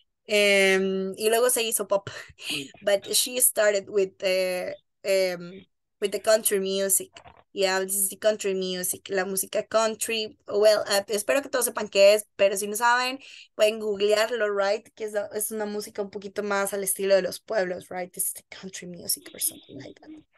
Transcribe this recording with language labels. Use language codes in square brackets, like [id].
[es] Y luego se hizo pop, [en] but she started with the country music. Yeah, this is the country music, [es] la música country. Well, espero que todos sepan qué es, pero si no saben, pueden googlearlo, right? Que es una música un poquito más al estilo de los pueblos, right? [en] This is the country music or something like that.